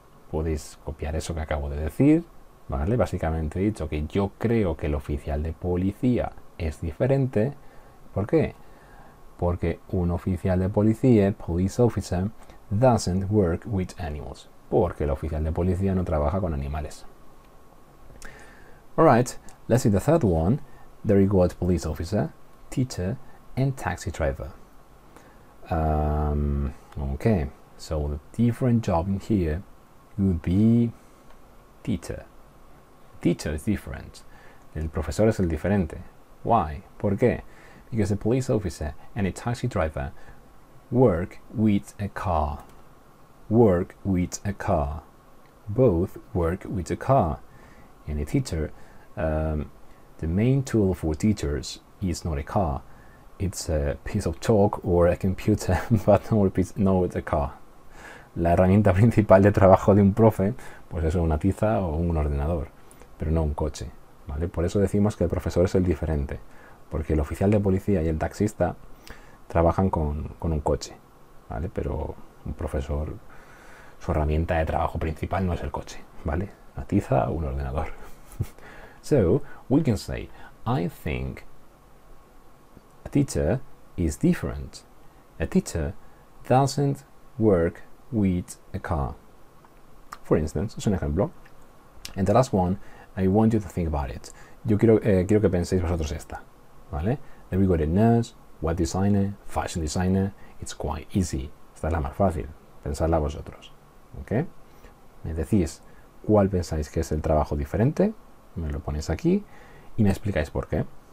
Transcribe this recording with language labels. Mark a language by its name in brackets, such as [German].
[Spanish] Podéis copiar eso que acabo de decir, ¿vale? Básicamente he dicho que yo creo que el oficial de policía es diferente. ¿Por qué? Porque un oficial de policía, police officer, [English] doesn't work with animals. [Spanish] Porque el oficial de policía no trabaja con animales. [English] Alright, let's see the third one. There you go, police officer, teacher, and taxi driver. Okay, so the different job in here would be teacher. Teacher is different. [Spanish] El profesor es el diferente. [English] Why? [Spanish] ¿Por qué? [English] Because a police officer and a taxi driver work with a car. Work with a car. Both work with a car. And a teacher, the main tool for teachers is not a car. It's a piece of chalk or a computer, but no, it's a car. [Spanish] La herramienta principal de trabajo de un profe, pues es una tiza o un ordenador, pero no un coche, ¿vale? Por eso decimos que el profesor es el diferente, porque el oficial de policía y el taxista trabajan con un coche, ¿vale? Pero un profesor, su herramienta de trabajo principal no es el coche, ¿vale? Una tiza o un ordenador. [English] So, we can say, I think a teacher is different. A teacher doesn't work with a car. For instance, [Spanish] es un ejemplo. [English] And the last one, I want you to think about it. [Spanish] Yo quiero, quiero que penséis vosotros esta, ¿vale? [English] Then we got a nurse, web designer, fashion designer. It's quite easy. [Spanish] Esta es la más fácil. Pensadla vosotros, ¿ok? Me decís cuál pensáis que es el trabajo diferente. Me lo ponéis aquí y me explicáis por qué.